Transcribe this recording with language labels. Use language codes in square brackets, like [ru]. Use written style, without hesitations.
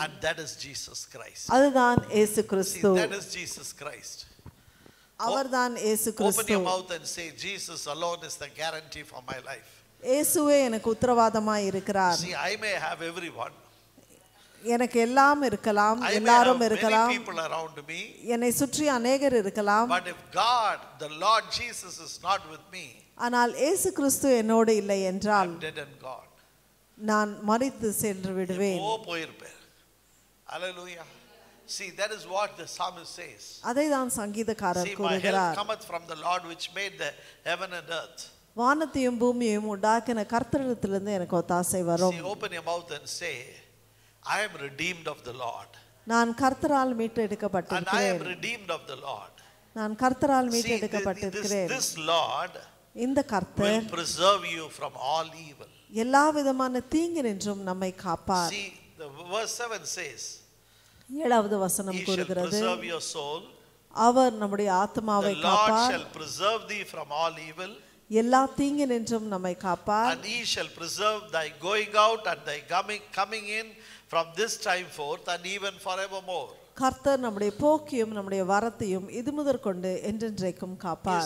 [en] and that is Jesus Christ [ta] அதுதான் இயேசு கிறிஸ்து [en] that is Jesus Christ [ta] அவர்தான் இயேசு கிறிஸ்து [en] open your mouth and say Jesus alone is the guarantee for my life [ta] இயேசுவே எனக்கு உத்தரவாதமாய் இருக்கிறார் [en] see I may have everyone [ta] எனக்கு எல்லாம் இருக்கலாம் எல்லாரும் இருக்கலாம் என்னை சுற்றி அநேகர் இருக்கலாம் [en] but if God the Lord Jesus is not with me [ta] ஆனால் இயேசு கிறிஸ்து என்னோடு இல்லை என்றால் [en] I'm dead and gone [ta] நான் மரித்து சென்று விடுவேன் ஓ போயிருப்பேன் [en] hallelujah see that is what the psalmist says [ta] அதைதான் சங்கீதக்காரர் கூறுகிறார் [en] see my help cometh from the Lord which made the heaven and earth [ta] வானத்தையும் பூமியையும் உண்டாக்கின கர்த்தரிடத்திலிருந்து எனக்கு ஒத்தாசை வரும் [en] see open your mouth and say I am redeemed of the Lord. [ta] நான் கர்த்தரால் மீட்டெடுக்கப்பட்டேன். [en] And I am redeemed of the Lord. [ta] நான் கர்த்தரால் மீட்டெடுக்கப்பட்டிருக்கிறேன். [en] This Lord [ta] இந்த கர்த்தர் [en] will preserve you from all evil. [ta] எல்லா விதமான தீங்கினின்றும் நம்மை காப்பார். [en] See, the verse 7 says [ta] ஏழாவது வசனம் கூறுகிறது, [en] preserve your soul. [ta] அவர் நம்முடைய ஆத்மாவை காப்பார். [en] The Lord shall preserve thee from all evil. [ta] எல்லா தீங்கினின்றும் நம்மை காப்பார். [en] And he shall preserve thy going out and thy coming in from this time forth and even forevermore. [ta] கர்த்தர் நம்முடைய போக்கையும் நம்முடைய வரத்தையும் இது முதற் கொண்டு என்றென்றைக்கும் காப்பார்.